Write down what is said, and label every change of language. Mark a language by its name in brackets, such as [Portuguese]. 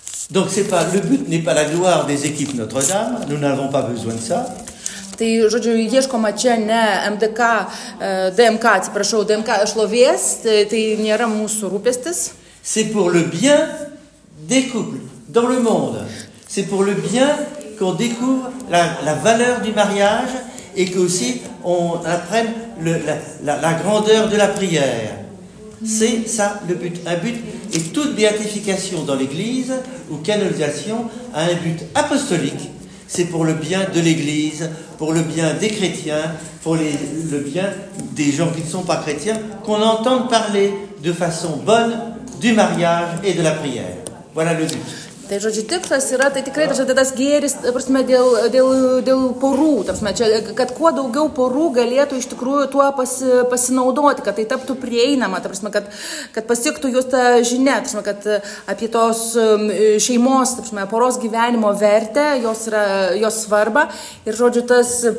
[French] Donc c'est pas le but n'est pas la gloire des équipes Notre-Dame, nous n'avons pas besoin de ça. [Lithuanian] Tai žodžiu, ieškoma čia ne MDK, DMK, atsiprašau, DMK šlovės, tai nėra mūsų rūpestis. [French] C'est pour le bien des couples dans le monde. C'est pour le bien qu'on découvre la valeur du mariage et qu'aussi on apprenne la grandeur de la prière. C'est ça le but. Un but et toute béatification dans l'Église ou canonisation a un but apostolique. C'est pour le bien de l'Église, pour le bien des chrétiens, pour le bien des gens qui ne sont pas chrétiens, qu'on entende parler de façon bonne du mariage et de la prière. Voilà le but. [Lithuanian] Tai žodžiu, tikslas yra, tai tikrai tas gėris, prasme, dėl porų, prasme, čia, kad kuo daugiau porų galėtų iš tikrųjų tuo pasinaudoti, kad tai taptų prieinama, prasme, kad pasiektų jūs tą žinę, prasme, kad apie tos šeimos, prasme, poros gyvenimo vertę, jos yra jos svarba ir žodžiu, tas